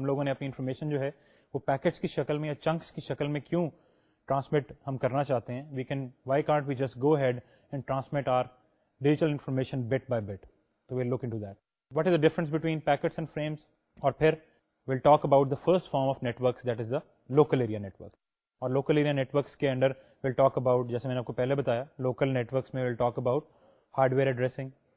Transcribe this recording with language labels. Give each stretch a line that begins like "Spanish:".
Urdu: ہم لوگوں نے اپنی انفارمیشن جو ہے وہ پیکٹس کی شکل میں یا چنکس کی شکل میں کیوں ٹرانسمٹ ہم کرنا چاہتے ہیں.
English: We can why can't we just go ahead and transmit our digital information bit by bit. تو we'll look into that what is the difference between packets and frames.
Urdu: اور پھر
English: We'll talk about the first form of networks that is the local area network.
Urdu: اور local area net works کے under
English: we'll talk about,
Urdu: جیسے میں نے آپ کو پہلے بتایا, لوکل نیٹ ورکس میں we'll talk about hard where addressing.